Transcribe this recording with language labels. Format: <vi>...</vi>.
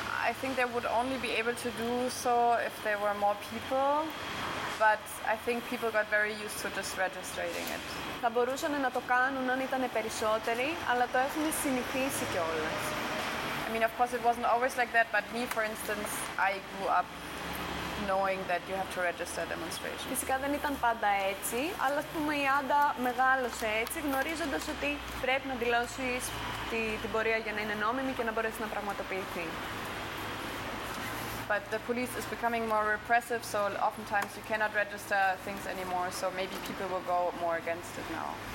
<en>I think they would only be able to do so if there were more people, but I think people got very used to just registering it.</en> <el>Θα μπορούσαν να το κάνουν αν ήταν περισσότεροι, αλλά το έχουν συνηθίσει κιόλας.</el> <en>I mean, of course, it wasn't always like that, but me, for instance, I grew up knowing that you have to register demonstrations.</en> <el>Φυσικά δεν ήταν πάντα έτσι, αλλά ας πούμε η Άντα μεγάλωσε έτσι, γνωρίζοντας ότι πρέπει να δηλώσεις την πορεία για να είναι νόμιμη και να μπορέσει να πραγματοποιηθεί.</el> <en>But the police is becoming more repressive, so oftentimes you cannot register things anymore, so maybe people will go more against it now.</en>